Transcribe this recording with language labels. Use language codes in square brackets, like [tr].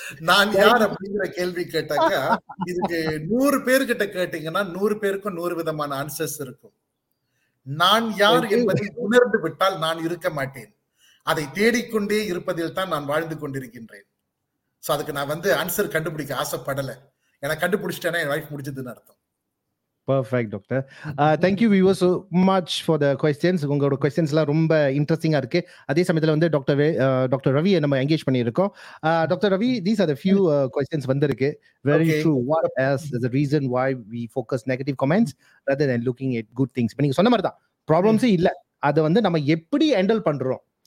[ta] நான் யார் அப்படிங்கிற கேள்வி கேட்டாக்க, இதுக்கு 100 பேர்கிட்ட கேட்டீங்கன்னா 100 பேருக்கும் 100 விதமான ஆன்சர்ஸ் இருக்கும். நான் யார் என்பதை உணர்ந்து விட்டால் நான் இருக்க மாட்டேன், அதை தேடிக்கொண்டே இருப்பதில் தான் நான் வாழ்ந்து கொண்டிருக்கின்றேன். சோ அதுக்கு நான் வந்து ஆன்சர் கண்டுபிடிக்க ஆசைப்படல, எனக்கு கண்டுபிடிச்சிட்டேனா என் வாய்ப்பு முடிச்சதுன்னு அர்த்தம். [en] Perfect, Doctor. Thank you, viewers, so much for the questions. [ta] உங்களோட க்வெஸ்சன்ஸ் எல்லாம் ரொம்ப இன்ட்ரெஸ்டிங்கா இருக்கு. அதே சமயத்துல வந்து டாக்டர் ரவி நம்ம என்கேஜ் பண்ணியிருக்கோம். [en] doctor Ravi, these are the few questions [ta] வந்திருக்கு. [en] Very true, what is the reason why we focus negative comments rather then looking at good things. [ta] நீங்க சொன்ன மாதிரி தான், ப்ராப்ளம்ஸே இல்லை, அதை வந்து நம்ம எப்படி ஹேண்டில் பண்றோம்.